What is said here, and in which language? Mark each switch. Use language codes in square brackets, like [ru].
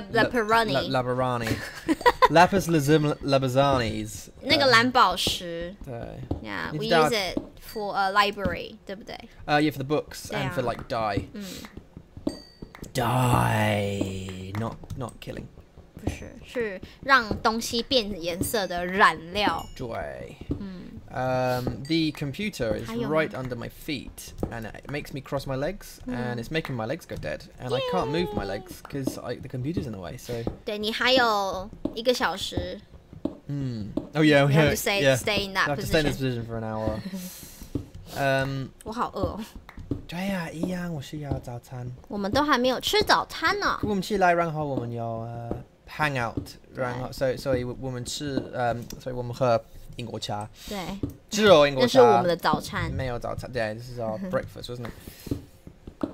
[zh] lapirani lapirani lapis lazim labazanis 那个蓝宝石对 [en] yeah we use it for a library [zh] 对不对 [en] yeah for the books and for like die、not killing [zh] 不是是让东西变颜色的染料对 [en] the computer is right under my feet and it makes me cross my legs and it's making my legs go dead and、Yay! I can't move my legs because the computer's in the way so [zh] 对你还有一个小时 [en] oh yeah we have to stay, yeah. stay in that position I have to stay in this position for an hour [zh] 我好饿对啊一样我需要早餐我们都还没有吃早餐呢我们起来然后我们有hang out 然后所以我们吃所以我们喝英国茶，对，只有英国茶。那是我们的早餐。没有早餐，对，这是 [en] our breakfast， wasn't it？